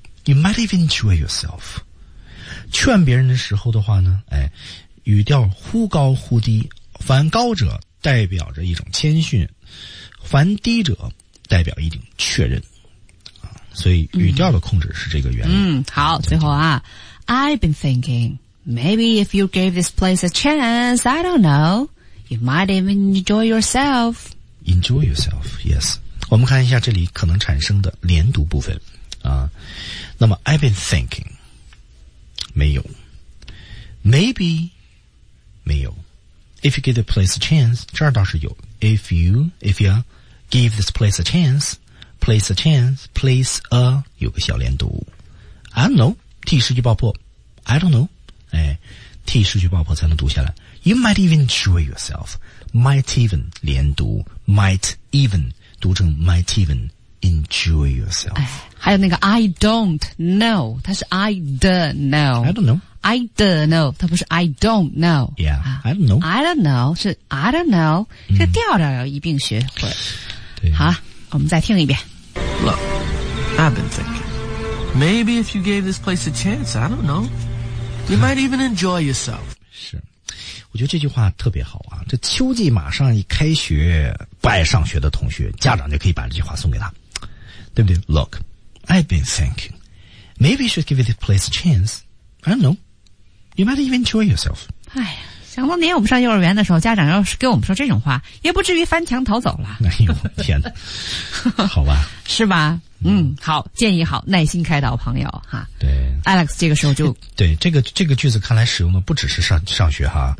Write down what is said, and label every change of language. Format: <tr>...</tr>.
<en>You might even enjoy yourself.</en> <zh>劝别人的时候的话呢，哎，语调忽高忽低，凡高者代表着一种谦逊，凡低者代表一种确认。所以语调的控制是这个原理。嗯，好，最后啊</zh> <en>,I've been thinking,Maybe if you gave this place a chance, I don't know, you might even enjoy yourself. Enjoy yourself, yes.</en> <zh>我们看一下这里可能产生的连读部分啊。那么</zh> <en>I've been thinking,</en> <zh>没有。Maybe, 没有。</zh> <en>If you give the place a chance,</en> <zh>这儿倒是有。</zh> <en>If you give this place a chance, place a chance, place a, 有个小连读。 I don't know,</en> <zh>替失去爆破。I don't know. 哎，替失去爆破才能读下来。</zh> <en>You might even enjoy yourself. Might even</en> <zh>连读</zh> <en>，might even</en> <zh>读成</zh> <en>might even enjoy yourself。</en> <zh>哎，还有那个</zh> <en>I don't know，</en> <zh>它是 I don't know。</zh> <en>I don't know。 I don't know，</en> <zh>它不是</zh> <en>I don't know。 Yeah， I don't know。 I don't know</en> <zh>是 I don't know， 这个调调要一并学会。对，好，我们再听一遍。</zh> <en>Look, I've been thinking. Maybe if you gave this place a chance, I don't know. You might even enjoy yourself.</en> <zh>是，我觉得这句话特别好啊！这秋季马上一开学，不爱上学的同学，家长就可以把这句话送给他，对不对 ？</zh> <en>Look, I've been thinking. Maybe you should give this place a chance. I don't know. You might even enjoy yourself.</en> <zh>哎呀，想当年我们上幼儿园的时候，家长要是跟我们说这种话，也不至于翻墙逃走了。哎呦，天哪！好吧。是吧？嗯，好，建议好，耐心开导朋友哈。对，Alex 这个时候就对这个句子，看来使用的不只是上学哈</zh>